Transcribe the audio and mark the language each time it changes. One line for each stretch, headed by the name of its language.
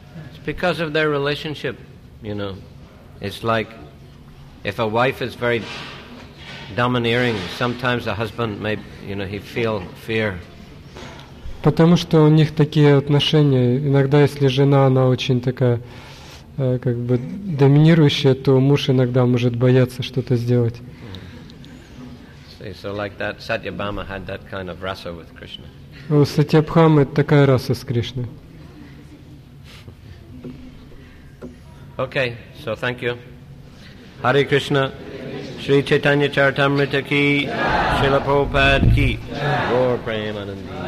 English: It's because of their relationship, you know. It's like If a wife is very domineering, sometimes a husband may, you know, he feel fear.
Russian: Потому что у них такие отношения. Иногда, если жена, она очень такая, как бы доминирующая, то муж иногда может бояться что-то сделать.
English: See, so like that, Satyabhama had that kind of rasa with Krishna.
Russian: У Сатьябхамы такая раса с Кришной.
English: Okay, so thank you. Hare Krishna. Shri Chaitanya Charitamrita ki Srila Prabhupada ki Gaur Premanandi.